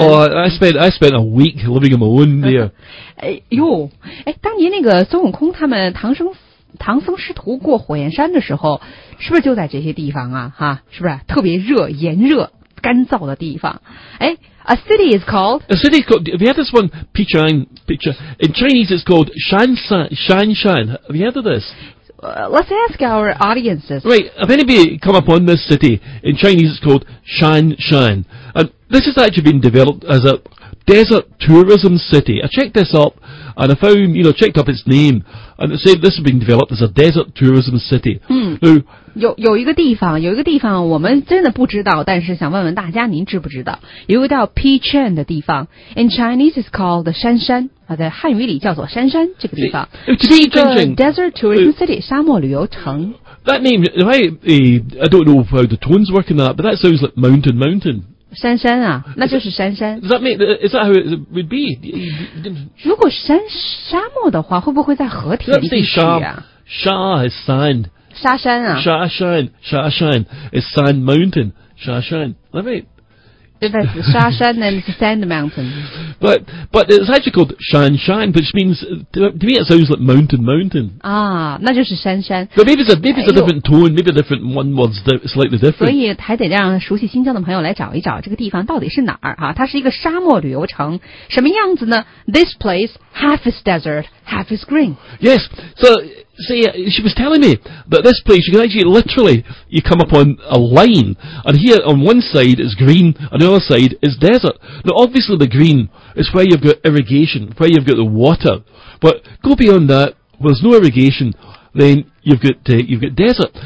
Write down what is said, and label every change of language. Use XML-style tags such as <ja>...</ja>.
<en>Oh, I spent a week living on my own there.</en> <zh>当年那个孙悟空他们唐僧师徒过火焰山的时候，是不是就在这些地方啊？哈，是不是特别热、炎热、干燥的地方？</zh> <en>哎 ，A city is called. Have you heard this one? Pichang. In Chinese, it's called Shanshan. Have you heard of this? Let's ask our audiences. Right. Have anybody come upon this city? In Chinese, it's called Shanshan. And this has actually been developed as a desert tourism city. I checked this up, and I found, you know, checked up its name, and it said this has been developed as a desert tourism city.</en> <zh>嗯, 有一个地方我们真的不知道，但是想问问大家您知不知道，有一个叫 Pichan 的地方，</zh> <en>in Chinese is called the</en> <zh>山山，在汉语里叫做山山，这个地方是一个</zh> <en>desert tourism city，</en> <zh>沙漠旅游城。</zh> <en>That name, I don't know how the tones work in that, but that sounds like mountain.</en> <zh>山山啊，那就是山山。</zh> <en>Does that mean, is that how it would be?</en> <zh>如果山沙漠的话，会不会在和田地区啊？</zh> <en>Does that say</en> <zh>沙,</zh> <en>sha is sand.</en> <zh>沙山啊。</zh> <en>沙山 is sand mountain. 沙山 right? That's 沙山 and sand mountain. But it's actually called Shan Shan, which means, to me it sounds like mountain.</en> <zh>啊，那就是山山。</zh> <en>But maybe it's a different tone, maybe a different one word's slightly different.</en> <zh>所以还得让熟悉新疆的朋友来找一找这个地方到底是哪儿啊，它是一个沙漠旅游城。什么样子呢？</zh> <en>This place, half is desert, half is green. Yes, so... See, she was telling me that this place, you can actually literally, you come upon a line, and here on one side is green, and the other side is desert. Now obviously the green is where you've got irrigation, where you've got the water, but go beyond that, where there's no irrigation, then you've got desert.</en>